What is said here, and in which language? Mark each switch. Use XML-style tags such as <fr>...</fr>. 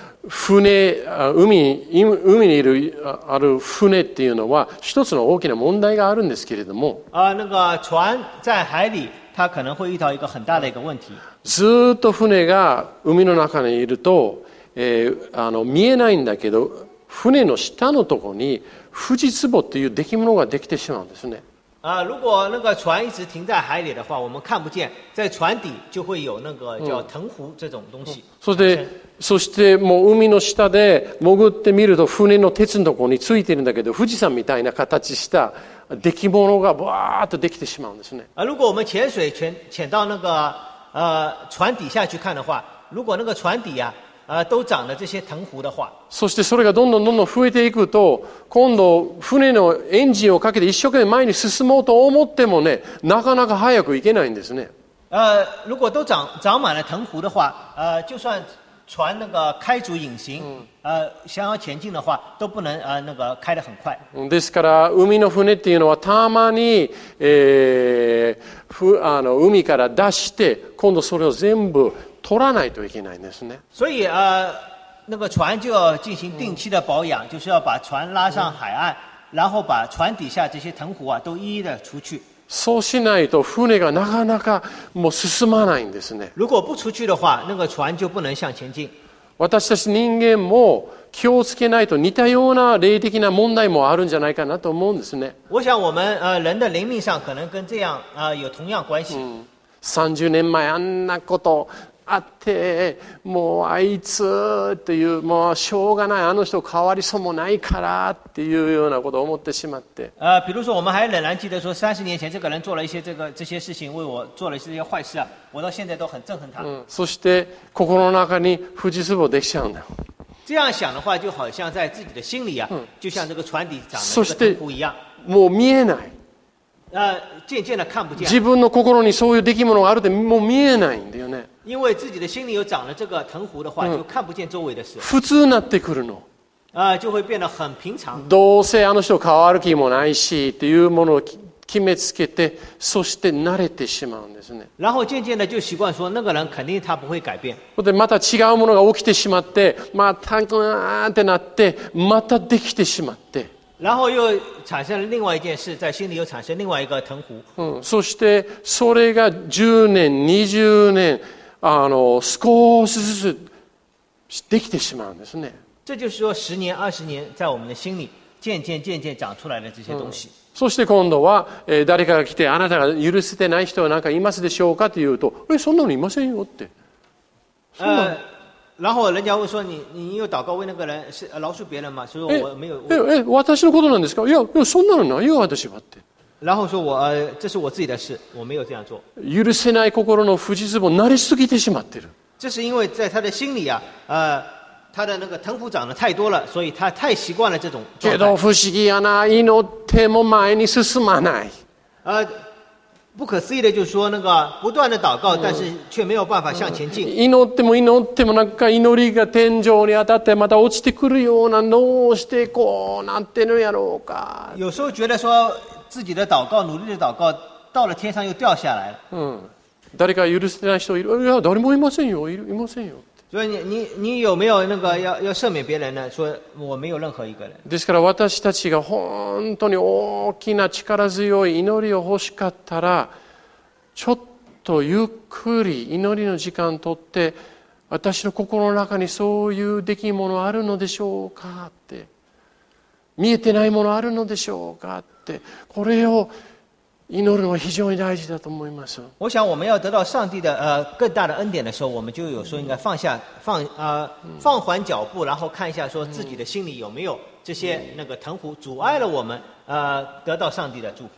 <ja>海にいるある船っていうのは一つの大きな問題があるんですけれども。</ja> <zh>啊，那个船在海里。他可能会遇到一个很大的一个问题。</zh> <ja>ずっと船が海の中にいると、見えないんだけど、船の下のところに富士壺という出来物ができてしまうんですね。</ja> <zh>啊，如果那个船一直停在海里的话，我们看不见，在船底就会有那个叫藤壶这种东西。</zh> <ja>そしてもう海の下で潜ってみると船の鉄のところについてるんだけど、富士山みたいな形した。出来物がブワーッとできてしまうんですね。</ja> <zh>如果我们潜水 潜到那个船底下去看的话，如果那个船底啊都长了这些藤壶的话，</zh> <ja>そしてそれがどんどんどんどん増えていくと、今度船のエンジンをかけて一生懸命前に進もうと思ってもね、なかなか早く行けないんですね。</ja> <zh>如果都长满了藤壶的话，就算船那个开足引擎，想要前进的话，都不能那个开得很快。</zh> <ja>ですから海の船っていうのはたまに、海から出して、今度それを全部取らないといけないんですね。</ja> <zh>所以那个船就要进行定期的保养，就是要把船拉上海岸，然后把船底下这些藤壶啊都一一的除去。</zh> <ja>そうしないと船がなかなかもう進まないんですね。</ja> <zh>如果不出去的话，那个船就不能向前进。</zh> <ja>私たち人間も気をつけないと似たような霊的な問題もあるんじゃないかなと思うんですね。</ja> <zh>我想我们人的灵命上可能跟这样有同样关系。</zh> <ja>30年前あんなことあって、もうあいつっていう、もうしょうがない、あの人変わりそうもないからっていうようなことを思ってしまって。</ja> <zh>比如说我们还仍然记得说30年前这个人做了一些这些事情，为我做了一些坏事啊，我到现在都很憎恨他。</zh> <ja>そして心の中に富士壺できちゃうんだ。</ja> <zh>这样想的话，就好像在自己的心里啊，就像这个船底长了一个藤壶一样。</zh> <ja>そして、もう見えない。</ja> <zh>渐渐的看不见。</zh> <ja>自分の心にそういう出来物があるってもう見えないんだよね。</ja> <zh>因为自己的心里有长了这个藤壶的话，就看不见周围的事。</zh> <ja>普通になってくるの。</ja> <zh>就会变得很平常。</zh> <ja>どうせあの人変わる気もないしっていうものを決めつけて、そして慣れてしまうんですね。</ja> <zh>然后渐渐的就习惯说那个人肯定他不会改变。</zh> <ja>でまた違うものが起きてしまって、またぐーんってなって、またできてしまって。</ja> <zh>然后又产生了另外一件事，在心里又产生另外一个藤壶。</zh> <ja>そしてそれが10年20年少しずつできてしまうんですね。</ja> <zh>这就是说10年20年在我们的心里渐渐渐渐长出来的这些东西。</zh> <ja>そして今度は、誰かが来てあなたが許せてない人は何かいますでしょうかというと、そんなのいませんよって。</ja> <zh>然后人家会说你又祷告为那个人是饶恕别人嘛，所以我没有。</zh> <ja>私のことなんですか。いやそんなのないよ私はって。</ja> <zh>然后说我这是我自己的事，我没有这样做。</zh> <ja>許せない心の富士壺なりすぎてしまってる。</ja> <zh>这是因为在他的心里啊，他的那个藤壶长得太多了，所以他太习惯了这种状态。</zh> <ja>けど不思議やな、祈っても前に進まない。</ja> <zh>不可思议的就是说那个不断的祷告但是却没有办法向前进。</zh> <ja>祈っても祈ってもなんか祈りが天井に当たってまた落ちてくるような、どうしてこうなってるやろうか。</ja> <zh>有时候觉得说自己的祷告努力的祷告到了天上又掉下来了。</zh> <ja>誰か許せない人いる？いや誰もいませんよ、いませんよ。</ja> <zh>所以你有没有那个要赦免别人呢？说我没有任何一个人。</zh> <ja>ですから私たちが本当に大きな力強い祈りを欲しかったら、ちょっとゆっくり祈りの時間とって、私の心の中にそういう出来物あるのでしょうかって、見えてないものあるのでしょうかって、これを祈るのは非常に大事だと思います。</ja> <zh>我想我们要得到上帝的更大的恩典的时候，我们就有时候应该放缓脚步，然后看一下说自己的心里有没有这些那个藤壶阻碍了我们得到上帝的祝福。</zh>